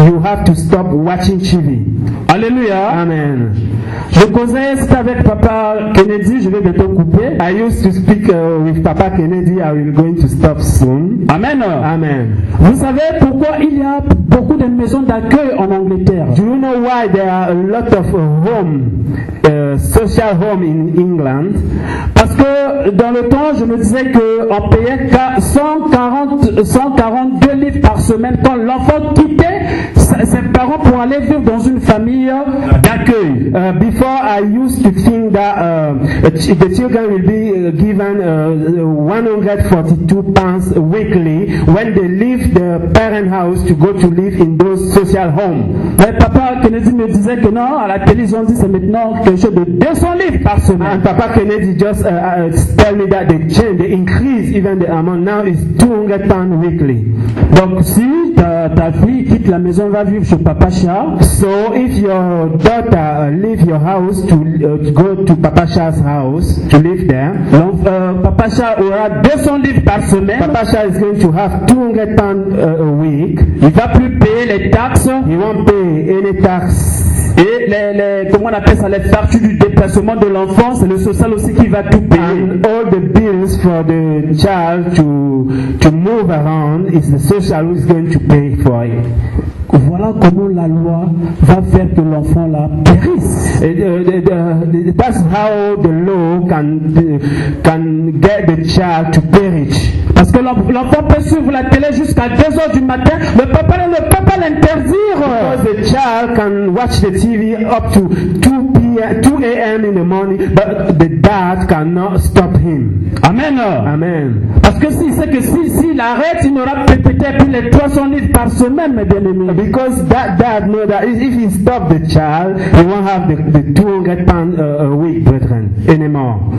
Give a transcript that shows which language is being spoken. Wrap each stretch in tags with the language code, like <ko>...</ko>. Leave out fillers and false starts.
<en>you have to stop watching TV. Alléluia. Amen.</en> <fr>Je causais ça avec papa Kennedy. Je vais bientôt couper.</fr> <en>I used to speak with papa Kennedy. I will going to stop soon. Amen. Amen.</en> <fr>Vous savez pourquoi il y a beaucoup de maisons d'accueil en Angleterre?</fr> <en>Do you know why there are a lot of homes, social home in England?</en> <fr>Parce que dans le temps, je me disais que on payait 142 livres par semaine quand l'enfant quittait ses parents pour aller vivre dans une famille d'accueil.</fr> <en>Before I used to think that the children will be given 142 pounds weekly when they leave the parent house to go to live in those social homes.</en> <fr>Mais papa Kennedy me disait que non, à la télévision dit c'est maintenant quelque chose de 200 livres par semaine.</fr> <en>And papa Kennedy just tell me that they change, they increase even the amount. Now it's 200 pounds weekly.</en> <fr>Donc si ta fille quitte la maison, va vivre chez papa Char.</fr> <en>So if your daughter leave your house to go to papa Char's house to live there,</en> <fr>donc papa Char aura 200 livres par semaine.</fr> <en>Papa Char is going to have 200 pounds a week.</en> <fr>Il va plus payer les taxes.</fr> <en>He won't pay any tax.</en> <fr>Et les comment on appelle ça, les factures du déplacement de l'enfant, c'est le social aussi qui va tout payer.</fr> <en>And all the bills for the child to move around is the social who is going to pay for it.</en> <fr>Voilà comment la loi va faire que l'enfant là périsse.</fr> <en>That's how the law can get the child to perish.</en> <fr>Parce que l'enfant peut suivre la télé jusqu'à 2h du matin, le papa ne le peut pas l'interdire.</fr> <en>Because the child can watch the TV up to 2 a.m. in the morning, but the dad cannot stop him. Amen. Amen.</en> <fr>Parce que s'il sait que s'il arrête, il n'aura peut-être plus les 300 litres par semaine, mes bien-aimés.</fr> <en>Because that dad knows that if he stops the child, he won't have the 200 pounds a week, brethren, anymore.</en>